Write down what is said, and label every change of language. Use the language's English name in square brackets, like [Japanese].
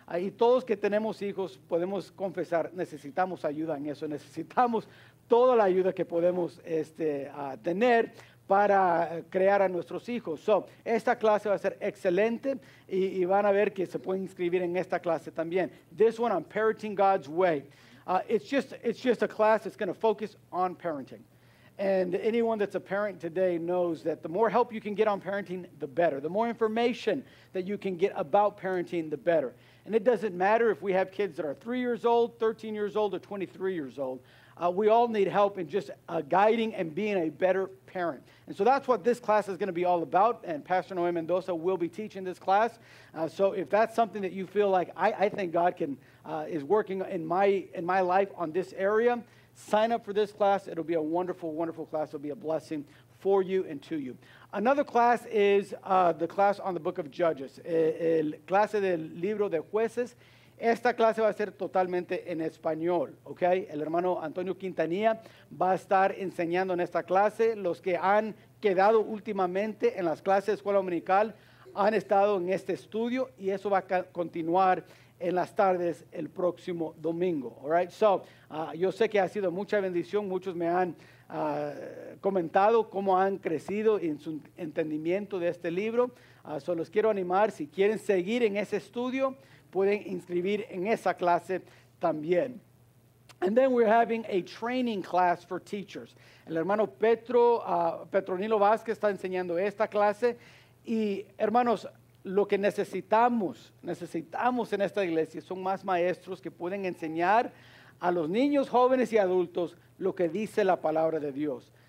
[Spanish] Y todos que tenemos hijos podemos confesar, necesitamos ayuda en eso, necesitamos toda la ayuda que podemos tener para crear a nuestros hijos. So, esta clase va a ser excelente y van a ver que se pueden inscribir en esta clase también. [English] This one on parenting God's way. It's just a class that's going to focus on parenting. And anyone that's a parent today knows that the more help you can get on parenting, the better. The more information that you can get about parenting, the better. And it doesn't matter if we have kids that are 3 years old, 13 years old, or 23 years old. We all need help in just guiding and being a better parent. And so that's what this class is going to be all about. And Pastor Noé Mendoza will be teaching this class. So if that's something that you feel like, I think God is working in my life on this area, sign up for this class. It'll be a wonderful, wonderful class. It'll be a blessing for you and to you. Another class is the class on the book of Judges. [Spanish] El clase del libro de jueces. Esta clase va a ser totalmente en español, ¿ok? El hermano Antonio Quintanilla va a estar enseñando en esta clase. Los que han quedado últimamente en las clases de Escuela Dominical han estado en este estudio y eso va a continuar en las tardes el próximo domingo, [English] all right? [Spanish] So, yo sé que ha sido mucha bendición. Muchos me han comentado cómo han crecido en su entendimiento de este libro. So, los quiero animar, si quieren seguir en ese estudio, pueden inscribir en esa clase también. [English] And then we're having a training class for teachers. [Spanish] El hermano Petronilo Vázquez está enseñando esta clase. Y hermanos, lo que necesitamos en esta iglesia son más maestros que pueden enseñar a los niños, jóvenes y adultos lo que dice la palabra de Dios.